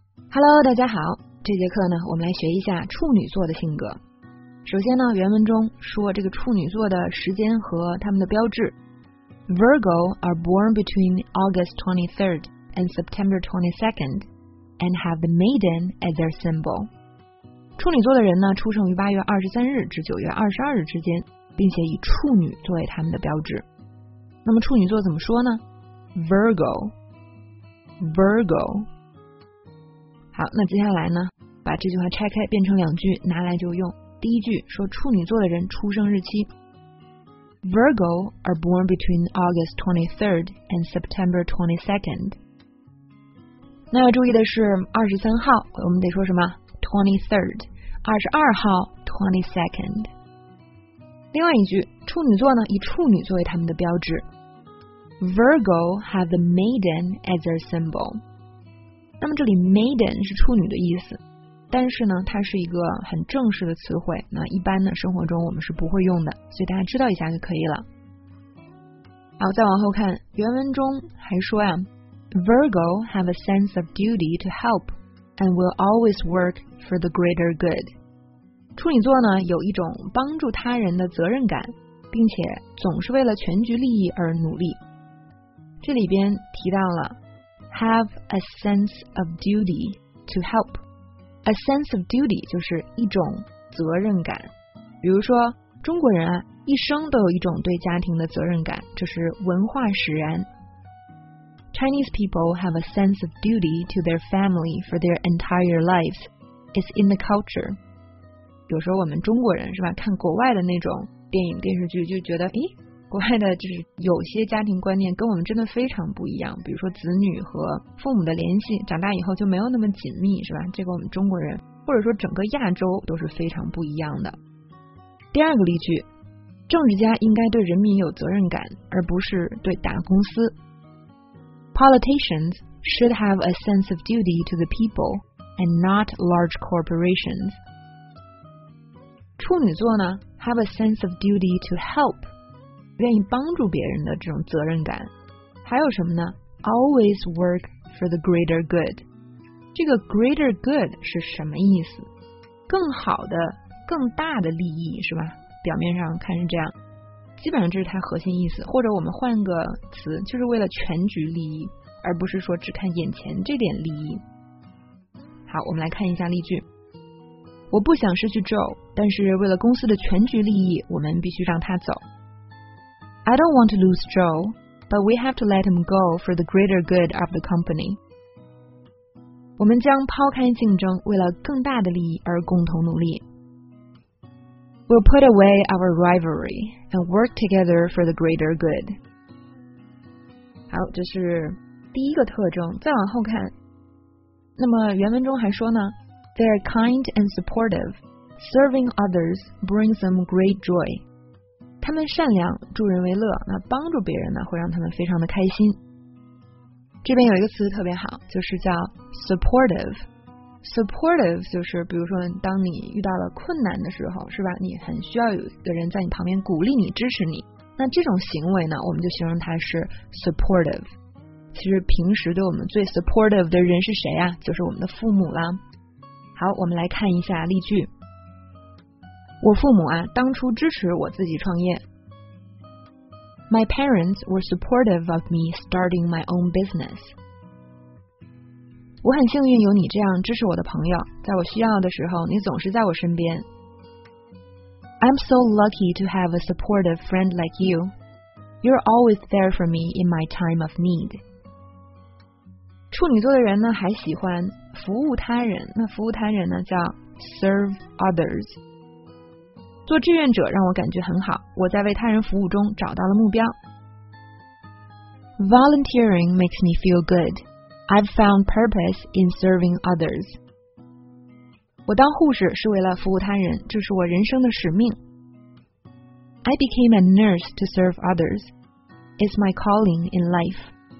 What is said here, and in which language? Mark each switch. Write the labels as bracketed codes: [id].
[zh] Hello， 大家好，这节课呢，我们来学一下处女座的性格。首先呢，原文中说这个处女座的时间和他们的标志。 [en] Virgo are born between August 23rd and September 22nd and have the maiden as their symbol. [zh] 处女座的人呢，出生于8月23日至9月22日之间，并且以处女作为他们的标志。那么处女座怎么说呢？Virgo Virgo。好，那接下来呢，把这句话拆开变成两句拿来就用。第一句说处女座的人出生日期， [en] Virgo are born between August 23rd and September 22nd。 [zh] 那要注意的是23号我们得说什么？23rd。 22号 22nd。另外一句，处女座呢以处女作为他们的标志， [en] Virgo have the maiden as their symbol。 [zh] 那么这里 maiden 是处女的意思，但是呢它是一个很正式的词汇，那一般呢生活中我们是不会用的，所以大家知道一下就可以了。好，再往后看原文中还说呀， [en] Virgo have a sense of duty to help and will always work for the greater good。 [zh] 处女座呢有一种帮助他人的责任感，并且总是为了全局利益而努力。这里边提到了 [en] Have a sense of duty to help. A sense of duty [zh] 就是一种责任感。比如说，中国人啊，一生都有一种对家庭的责任感，这是文化使然。 [en] Chinese people have a sense of duty to their family for their entire lives. It's in the culture. [zh] 有时候我们中国人是吧，看国外的那种电影电视剧就觉得，诶，国外的就是有些家庭观念跟我们真的非常不一样，比如说子女和父母的联系，长大以后就没有那么紧密，是吧？这个我们中国人或者说整个亚洲都是非常不一样的。第二个例句，政治家应该对人民有责任感，而不是对大公司。 [en] Politicians should have a sense of duty to the people and not large corporations. [zh] 处女座呢 [en] ，have a sense of duty to help。 [zh] 愿意帮助别人的这种责任感，还有什么呢？ [en] Always work for the greater good。 这个 greater good [zh] 是什么意思？更好的更大的利益是吧，表面上看是这样，基本上这是它核心意思，或者我们换个词，就是为了全局利益，而不是说只看眼前这点利益。好，我们来看一下例句。我不想失去 Joe， 但是为了公司的全局利益，我们必须让他走。 [en] I don't want to lose Joe, but we have to let him go for the greater good of the company. [zh] 我们将抛开竞争，为了更大的利益而共同努力。 [en] We'll put away our rivalry and work together for the greater good. [zh] 好，这是第一个特征。再往后看，那么原文中还说呢， [en] They are kind and supportive. Serving others brings them great joy. [zh] 他们善良，助人为乐，那帮助别人呢会让他们非常的开心。这边有一个词特别好，就是叫 supportive。supportive 就是比如说当你遇到了困难的时候是吧，你很需要有一个人在你旁边鼓励你支持你，那这种行为呢我们就形容它是 supportive。其实平时对我们最 supportive 的人是谁啊？就是我们的父母啦。好，我们来看一下例句。我父母啊，当初支持我自己创业。 [en] My parents were supportive of me starting my own business. [zh] 我很幸运有你这样支持我的朋友，在我需要的时候，你总是在我身边。 [en] I'm so lucky to have a supportive friend like you. You're always there for me in my time of need. [zh] 处女座的人呢，还喜欢服务他人，那服务他人呢，叫 [en] serve others。 [zh] 做志愿者让我感觉很好，我在为他人服务中找到了目标。 [en] Volunteering makes me feel good. I've found purpose in serving others. [zh] 我当护士是为了服务他人，这是我人生的使命。 [en] I became a nurse to serve others. It's my calling in life.